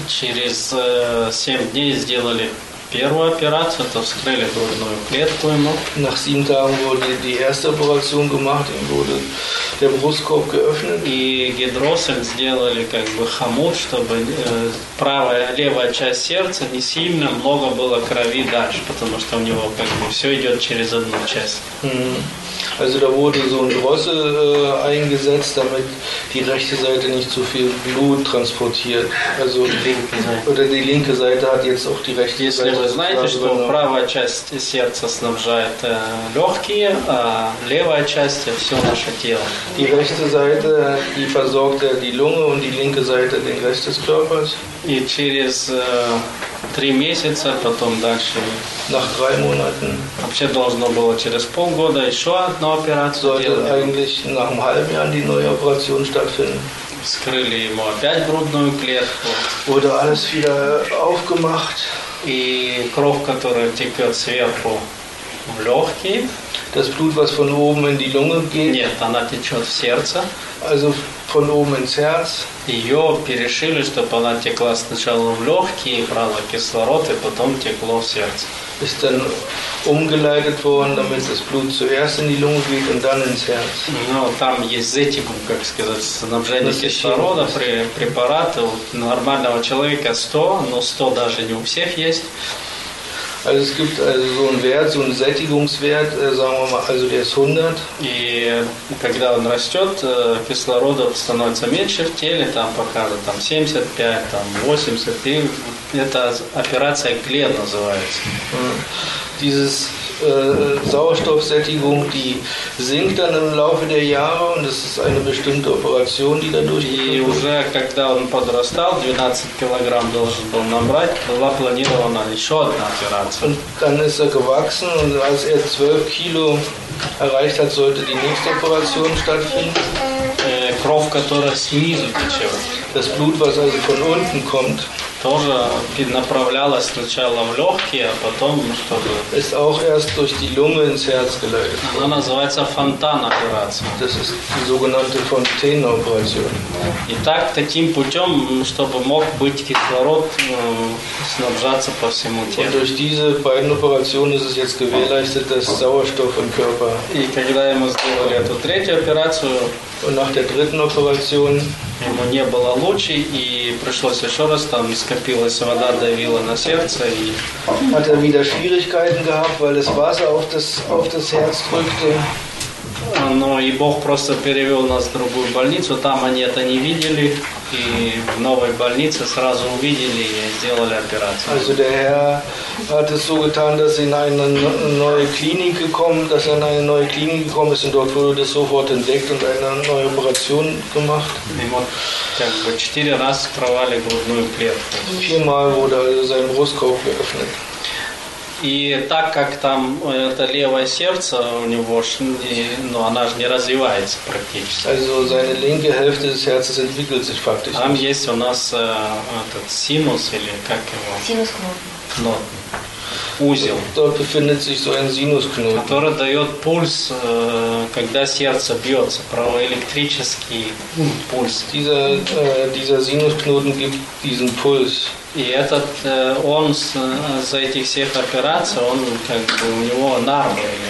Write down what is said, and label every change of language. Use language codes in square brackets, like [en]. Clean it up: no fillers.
[ru] Через 7 дней сделали первую операцию, то вскрыли грудную клетку ему. [de] Nach 7 Tagen wurde die erste Operation gemacht, ihm wurde der Brustkorb geöffnet. [ru] И гидросель сделали как бы хомут, чтобы правая, левая часть сердца не сильно много было крови дальше, потому что у него как бы все идет через одну часть. [de] Also da wurde so ein Drossel eingesetzt, damit die rechte Seite nicht zu viel Blut transportiert. Also die linke Seite. Oder die linke Seite hat jetzt auch die rechte Seite. [ru] Если вы знаете, что правая часть сердца снабжает легкие, а левая часть все наше тело. [de] Die rechte Seite, die versorgt die Lunge und die linke Seite den Rest des Körpers. [ru] И через 3 месяца, потом дальше. [de] Nach 3 Monaten. [ru] Вообще должно было через полгода еще одну операцию. [de] Sollte eigentlich nach einem halben Jahr die neue Operation stattfinden. [ru] Вскрыли ему опять грудную клетку. [de] Wurde alles wieder aufgemacht. [ru] И кровь, которая текет сверху в легкие. [de] Das Blut, was von oben in die Lunge geht. [ru] Нет, она течет в сердце. [de] Also von oben ins Herz. [ru] Ее перешили, чтобы она текла сначала в легкие, брала кислород, и потом текло в сердце. [de] Ist dann umgeleitet worden, damit das Blut zuerst in die Lunge geht und dann ins Herz. [ru] Ну, там есть зетикум, как сказать, снабжение кислорода, препараты. У нормального человека 100, но 100 даже не у всех есть. [de] Also es gibt also so einen Wert, so einen Sättigungswert, sagen wir mal, also der ist 100. [ru] И когда он растет, кислорода становится меньше в теле, там показывают, там 75, там 80, и это операция Глен называется. [de] Dieses Sauerstoffsättigung, die sinkt dann im Laufe der Jahre und es ist eine bestimmte Operation, die dadurch. [ru] И уже когда он подрастал, 12 килограмм должен был набрать, была планирована еще одна операция. [de] Und dann ist gewachsen und als 12 Kilo erreicht hat, sollte die nächste Operation stattfinden. [ru] Кровь, которая снизу течет. [de] Das Blut, was also von unten kommt. [ru] Тоже направлялось сначала в легкие, а потом чтобы. [de] Ist auch erst durch die Lunge ins Herz geleitet. [ru] Она называется фонтан-операция. [de] Das ist die sogenannte Fontänen-Operation. [ru] И так, таким путем, чтобы мог быть кислород, снабжаться по всему телу. [de] Und durch diese beiden Operationen ist es jetzt gewährleistet, dass Sauerstoff im Körper. [ru] И когда ему сделали эту третью операцию. [de] Und nach der dritten Operation. [ru] Ему не было лучше, и пришлось еще раз, там скопилась вода, давила на сердце. И... [de] Hat er wieder Schwierigkeiten gehabt, weil das Wasser auf das Herz drückte. [ru] но и Бог просто перевел нас в другую больницу. Там они это не видели, и в новой больнице сразу увидели и сделали операцию. [de] Also der Herr hat es so getan, dass in eine neue Klinik gekommen, dass in eine neue Klinik gekommen ist und dort wurde das sofort entdeckt und eine neue Operation gemacht. [ru] Четыре раз вскрывали грудную клетку. [de] Viermal wurde sein Brustkorb geöffnet. [ru] И так как там это левое сердце у него, ну, она же не развивается практически. [de] Also seine linke Hälfte des Herzens entwickelt sich faktisch. [ru] Там есть у нас этот синус или как его? Синус-кнот. Узел. [de] Dort befindet sich so ein Sinusknoten. [ru] Который дает пульс, когда сердце бьется, правоэлектрический пульс. [de] Dieser Sinusknoten gibt diesen Puls. [ru] И этот, он за этих всех операций, он как бы у него нарвы.